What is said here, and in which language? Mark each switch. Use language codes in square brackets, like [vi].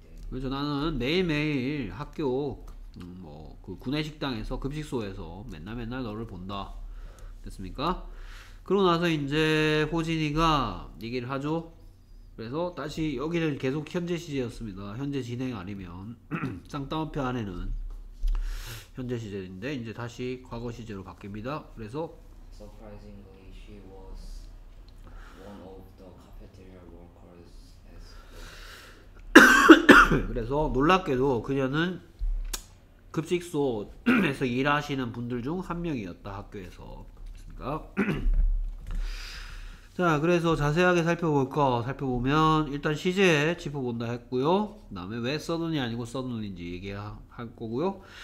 [ko] 그래서 나는 매일매일 학교, 뭐, 그 구내식당에서, 급식소에서 맨날 너를 본다. 됐습니까? 그러고 나서 이제 호진이가 얘기를 하죠. 그래서 다시 여기를 계속 현재 시제였습니다. 현재 진행 아니면. 쌍따옴표 안에는 현재 시제인데, 이제 다시 과거 시제로 바뀝니다. 그래서. [en] Surprisingly, she was one of the cafeteria workers as well. [ko] 그래서 놀랍게도 그녀는 급식소에서 일하시는 분들 중한 명이었다. 학교에서. 자, 그래서 자세하게 살펴볼까? 살펴보면 일단 시제 짚어본다 했고요. 그다음에 왜 써둔이 아니고 써둔인지 얘기할 거고요.